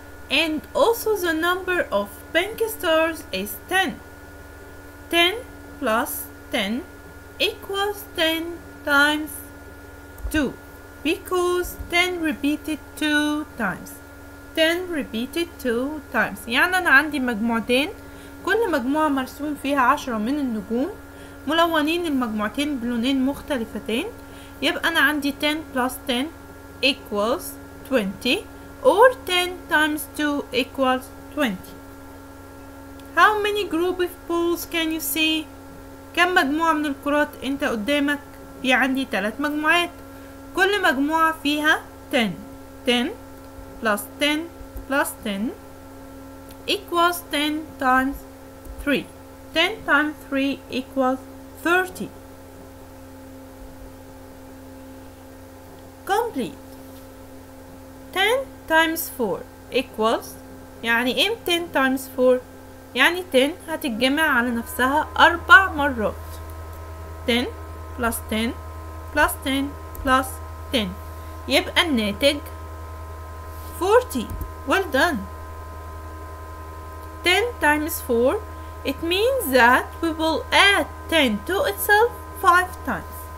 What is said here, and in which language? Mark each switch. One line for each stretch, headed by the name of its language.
English: And also the number of pink stars is 10. 10 plus 10 equals 10 times 2. Because 10 repeated 2 times. 10 repeated 2 times.
Arabic: يعني أنا عندي مجموعتين. كل مجموعة مرسوم فيها 10 من النجوم. ملونين المجموعتين بلونين مختلفتين. يبقى أنا عندي
English: 10 plus 10 equals 20. Or 10 times 2 equals 20. How many group of balls can you see?
Arabic: كم مجموعة من الكرات أنت قدامك؟ في عندي 3 مجموعات. كل مجموعة فيها 10.
English: 10 plus 10 plus 10 equals 10 times 3. 10 times 3 equals 30. Complete. 10 times 4 equals
Arabic: يعني ام 10 times 4 يعني 10 هتتجمع على نفسها 4 مرات.
English: 10 plus 10 plus 10 plus 10
Arabic: يبقى الناتج 40.
English: Well done. 10 times 4 it means that we will add 10 to itself 5 times.